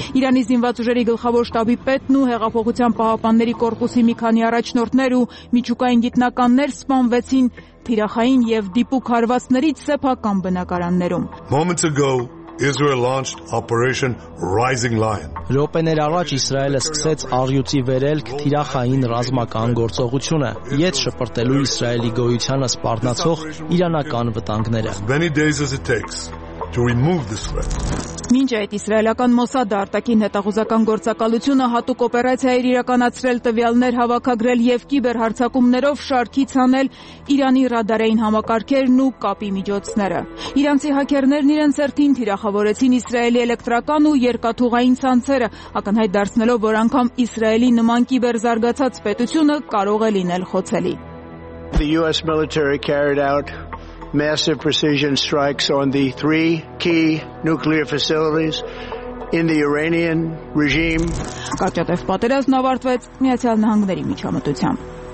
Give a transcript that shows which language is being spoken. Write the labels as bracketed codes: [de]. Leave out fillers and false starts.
[hy] Իրանի զինված ուժերի գլխավոր շտաբի պետն ու հեղափոխության պահապանների կորպուսի մի քանի առաջնորդներ ու միջուկային գիտնականներ սպանվեցին թիրախային և դիպուկ հարվածներից սեփական բնակարաններում։ [en] Moments ago, Israel launched Operation Rising Lion. [hy] Ռոպեներ առաջ Իսրայելը սկսեց արյուծի վերելք թիրախային ռազմական գործողությունը, ետ շպրտելու Իսրայելի գոյությանը սպառնացող իրանական վտանգները։ [en] Many days as it takes to remove this threat. [hy] Մինչ այդ իսրայելական Մոսադը արտաքին հետախուզական գործակալությունը հատուկ օպերացիա էր իրականացրել, տվյալներ հավաքագրել և կիբեր հարձակումներով շարքից հանել Իրանի ռադարային համակարգերն ու կապի միջոցները։ Իրանցի հակերներն իրենց հերթին թիրախավորեցին իսրայելի էլեկտրական ու երկաթուղային ցանցերը, ակնհայտ դարձնելով, որ անգամ իսրայելի նման կիբեր զարգացած պետությունը կարող է լինել խոցելի։ [en] The US military carried out massive precision strikes on the three key nuclear facilities in the Iranian regime. [hy] Կաչատև պատերազմն ավարտվեց Միացյալ Նահանգների միջամտությամբ։